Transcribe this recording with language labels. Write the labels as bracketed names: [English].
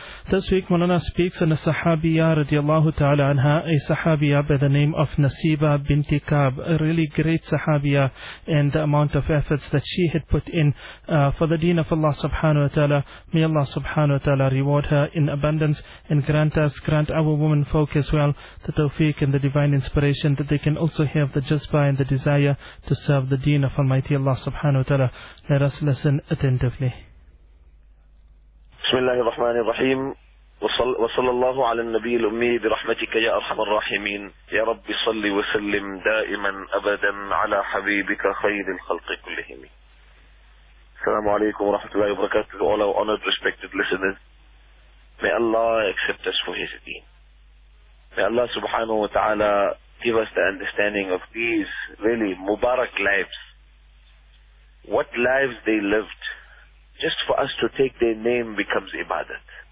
[English] This week, Maulana speaks on a Sahabiyah radiallahu ta'ala anha, a Sahabiyah by the name of Nasiba binti Kaab, a really great Sahabiyah, and the amount of efforts that she had put in for the deen of Allah subhanahu wa ta'ala. May Allah subhanahu wa ta'ala reward her in abundance and grant our women folk as well the tawfiq and the divine inspiration that they can also have the jazbah and the desire to serve the deen of Almighty Allah subhanahu wa ta'ala. Let us listen attentively. [Arabic] بسم الله الرحمن الرحيم وصلى الله على النبي الأمي برحمتك يا أرحم الراحمين يا رب صل وسلم دائما أبدا على حبيبك خير الخلق كلهم. السلام عليكم ورحمة الله وبركاته. [English] All our honored respected listeners, may Allah accept us for his deen. May Allah subhanahu wa ta'ala give us the understanding of these really mubarak lives. What lives they lived. Just for us to take their name becomes ibadat.